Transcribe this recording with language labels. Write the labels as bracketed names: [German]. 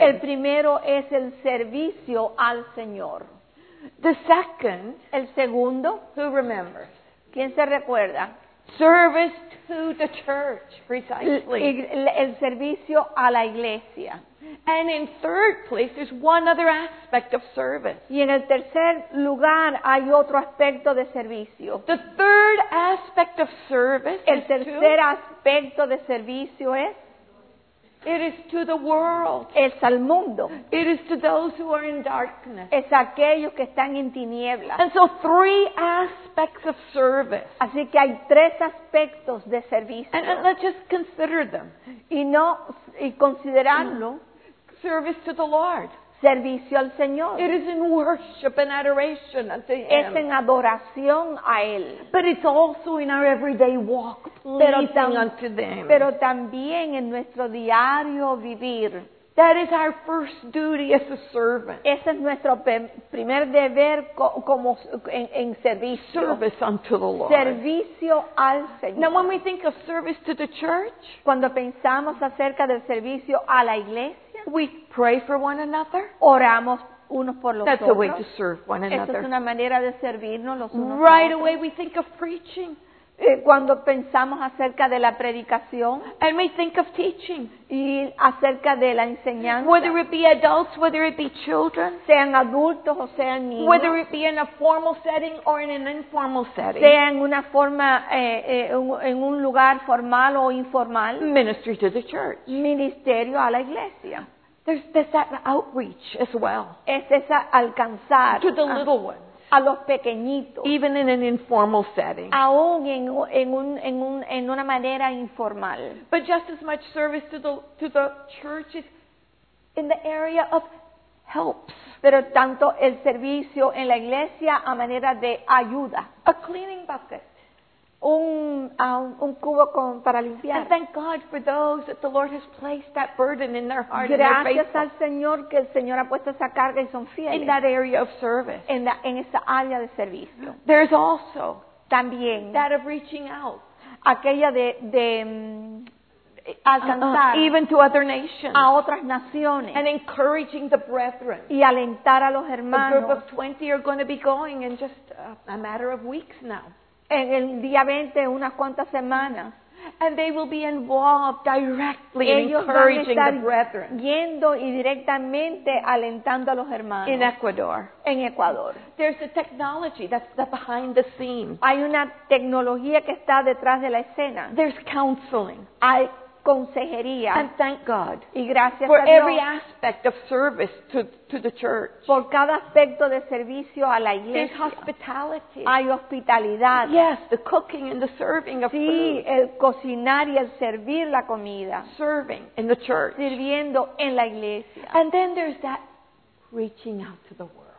[Spanish] El primero es el servicio al Señor. [English] The second, [Spanish] el segundo, [English] who remembers? [Spanish] ¿Quién se recuerda? [English] Service to the church, precisely. [Spanish] El servicio a la iglesia. [English] And in third place, there's one other aspect of service. [Spanish] Y en el tercer lugar hay otro aspecto de servicio. [English] The third aspect of service. [Spanish] El tercer aspecto de servicio es. [English] It is to the world. [Spanish] Es al mundo. [English] It is to those who are in darkness. [Spanish] Es aquellos que están en tinieblas. [English] And so three aspects of service. [Spanish] Así que hay tres aspectos de servicio. [English] And let's just consider them. [Spanish] Y considerarlo. [English] Service to the Lord. [Spanish] Servicio al Señor. [English] It is in worship and adoration unto Him. [Spanish] Es en adoración a Él. [English] But it's also in our everyday walk, pleasing unto them. [Spanish] Pero también en nuestro diario vivir. [English] That is our first duty as a servant. [Spanish] Ese es nuestro primer deber como en servicio. [English] Service unto the Lord. [Spanish] Servicio al Señor. [English] Now, when we think of service to the church, [Spanish] cuando pensamos acerca del servicio a la iglesia, [English] we pray for one another. [Spanish] Oramos unos por los [English] That's [Spanish] otros. [English] That's a way to serve one another. [Spanish] Es una manera de servirnos los unos [English] right [Spanish] a [English] away [Spanish] otros. [English] We think of preaching. [Spanish] Cuando pensamos acerca de la predicación. [English] And we think of teaching. [Spanish] Y acerca de la enseñanza. [English] Whether it be adults, whether it be children. [Spanish] Sean adultos o sean niños. [English] Whether it be in a formal setting or in an informal setting. [Spanish] Sea en una forma, en un lugar formal o informal. [English] Ministry to the church. [Spanish] Ministerio a la iglesia. [English] There's that outreach as well. [Spanish] Es esa alcanzar. [English] To the little ones. [Spanish] A los pequeñitos. [English] Even in an informal setting. [Spanish] Aún en una manera informal. [English] But just as much service to the church is in the area of helps. [Spanish] Pero tanto el servicio en la iglesia a manera de ayuda. [English] A cleaning bucket. [Spanish] Un cubo con, para limpiar. [English] And thank God for those that the Lord has placed that burden in their heart. [Spanish] Gracias [English] and their faithful. [Spanish] Gracias al Señor que el Señor ha puesto esa carga y son fieles. [English] In that area of service. [Spanish] En esa área de servicio. [English] There's also [Spanish] también [English] that of reaching out. [Spanish] Aquella de alcanzar [English] even to other nations. [Spanish] A otras naciones. [English] And encouraging the brethren. [Spanish] Y alentar a los hermanos. [English] The group of 20 are going to be going in just a matter of weeks now. [Spanish] En el día 20, unas cuantas semanas. [English] And they will be involved directly [Spanish] Ellos [English] in encouraging the brethren. [Spanish] Yendo y directamente alentando a los hermanos. [English] In Ecuador. [Spanish] En Ecuador. [English] There's a technology that's behind the scenes. [Spanish] Hay una tecnología que está detrás de la escena. [English] There's counseling. [Spanish] Hay consejería. [English] And thank God. [Spanish] Y gracias [English] for [Spanish] a Dios. [English] Every aspect of service to the church. [Spanish] Por cada aspecto de servicio a la iglesia. [English] There's hospitality. [Spanish] Hay hospitalidad. [English] Yes, the cooking and the serving of [Spanish] sí, [English] food. [Spanish] Sí, el cocinar y el servir la comida. [English] Serving in the church. [Spanish] Sirviendo en la iglesia. [English] And then there's that reaching out to the world.